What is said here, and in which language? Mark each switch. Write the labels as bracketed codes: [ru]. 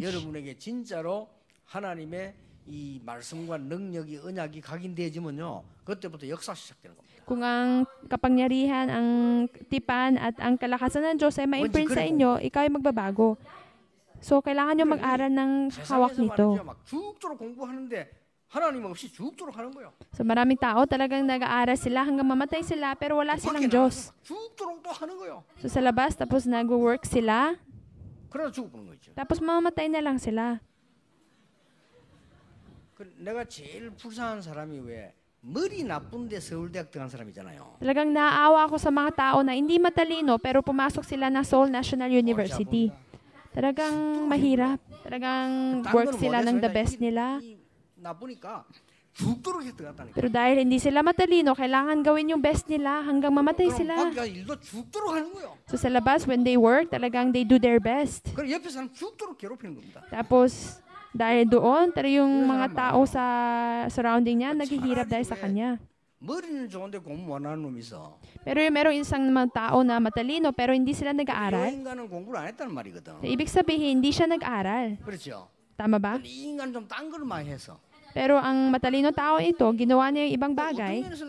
[ko] 여러분에게 진짜로 하나님의 이 말씀과 능력이 언약이 각인되어지면요. 그때부터 역사 시작되는 겁니다. [tl] 그가 kapangyarihan ang tipan at ang kalakasan ng Diyos ay ma-imprint sa inyo, ikaw ay magbabago. So kailangan niyo mag-aral ng hawak nito. [ko] 죽도록 공부하는데 하나님 없이 죽도록 하는 거예요. [tl] So maraming tao talagang nag-aaral sila hanggang mamatay sila pero wala silang Diyos. [ko] 죽도록 또 하는 거예요. [tl] So sa labas tapos nag-work sila. [ko] 그래서 죽어버린 거죠. 잡고 마음에 나 [tl] lang sila. [ko] 그 내가 제일 불쌍한 사람이 왜 머리 나쁜데 서울대학 들어간 사람이잖아요. 그러니까 [tl] 나아와 ako sa mga tao na hindi matalino pero pumasok sila na Seoul National University. [ko] 그러니까 [tl] mahirap. 그러니까 work sila ng [en] the best [tl] nila. [ko] 나쁘니까 죽도록 했다니까. [tl] Pero dahil hindi sila matalino, kailangan gawin yung best nila hanggang mamatay sila. [ko] 일도 죽도록 하는 거예요. [tl] So sa labas, [en] when they work, [tl] talagang [en] they do their best. [ko] 그럼 옆에 사람 죽도록 괴롭히는 겁니다. [tl] Tapos, dahil doon, tara yung mga tao sa surrounding niya, naghihirap dahil sa kanya. [ko] 머리는 좋은데 공부 안 하는 놈 있어. [tl] Pero yung meron isang mga tao na matalino, pero hindi sila nag-aaral. [ko] 인간은 공부를 안 했다는 말이거든. [tl] So, ibig sabihin, hindi siya nag-aaral. [ko] 그렇죠. [tl] Tama ba? [ko] 인간 좀 딴 걸 많이 해서. [tl] Pero ang matalino tao ito, ginawa niya yung ibang bagay.